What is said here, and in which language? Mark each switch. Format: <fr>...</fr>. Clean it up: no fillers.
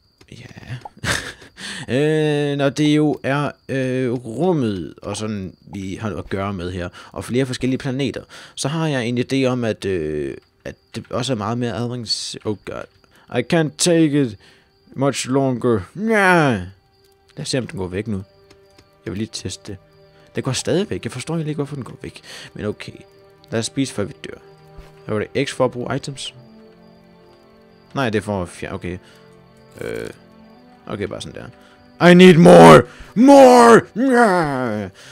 <da>Ja. når det jo er rummet, og sådan vi har noget at gøre med her, og flere forskellige planeter, så har jeg en idé om, at, at det også er meget mere adrings...</da> <en>Oh god. I can't take it much longer. Yeah.</en> <da>Lad os se, om den går væk nu. Jeg vil lige teste det. Den går stadig væk. Jeg forstår ikke, hvorfor den går væk. Men okay. Lad os spise, før vi dør. Hvad var det? X for at bruge items? Nej, det er for at fjerne. Okay.</da> <en>Okay,</en> <da>bare sådan der.</da> <en>I need more! More! Yeah.</en>